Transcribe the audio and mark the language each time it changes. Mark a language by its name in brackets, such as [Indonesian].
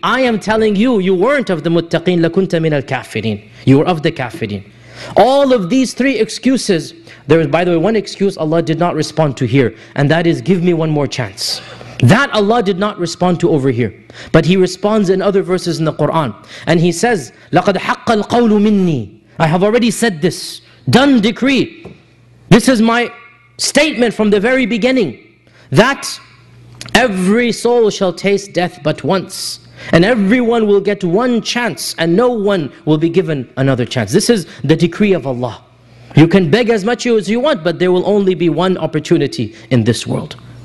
[English] I am telling you, you weren't of the muttaqeen, [Arabic] لَكُنْتَ مِنَ الْكَافِرِينَ. [English] You were of the kafirin. All of these three excuses, there is, by the way, one excuse Allah did not respond to here, and that is, give me one more chance. That Allah did not respond to over here. But He responds in other verses in the Qur'an. And He says, [Arabic] لَقَدْ حَقَّ الْقَوْلُ مِنِّي. [English] I have already said this, done decree. This is my statement from the very beginning, that every soul shall taste death but once, and everyone will get one chance, and no one will be given another chance. This is the decree of Allah. You can beg as much as you want, but there will only be one opportunity in this world.